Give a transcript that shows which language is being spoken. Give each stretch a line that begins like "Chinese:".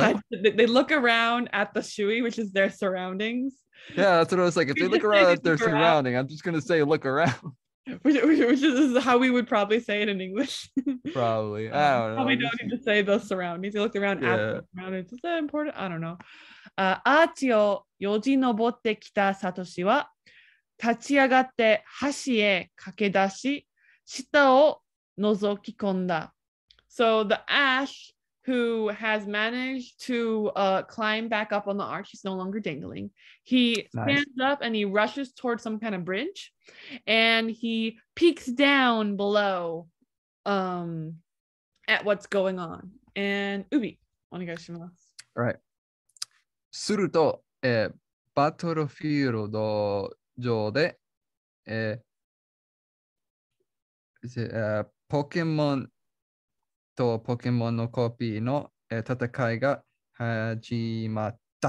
English: They look around at the Shui, which is their surroundings. Yeah, that's what I was like. If they look around at their surrounding, I'm just going to say look around. Which is how we would probably say it in English. Probably. I don't know. Probably don't need to say the surroundings. They look around at the surroundings. Is that important? I don't know.
Japanese: Archie をよじ登ってきたサトシは立ち上がって橋へ駆け出し下を覗き込んだ。
English: So the Ash who has managed to climb back up on the arch, he's no longer dangling. He stands up and he rushes towards some kind of bridge and he peeks down below at what's going on. And Ubi,
Japanese: お願いします。
English: All right.
Japanese: すると、バトルフィールド上で、ポケモンとポケモンのコピーの、戦いが始まった。